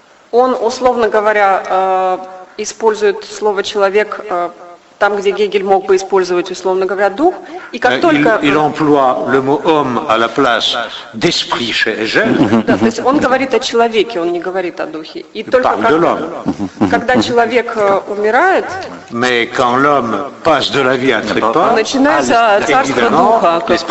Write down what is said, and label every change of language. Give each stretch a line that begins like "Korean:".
Russian: он, условно говоря, использует слово человек там, где Гегель мог бы использовать, условно говоря, дух. И как только
French: il emploie le mot homme à la place d'esprit chez Hegel.
Russian: Да, то есть он говорит о человеке, он не говорит о духе. И только когда человек умирает,
French: mais quand l'homme passe de la vie à trépas,
Russian: начинается царство духа,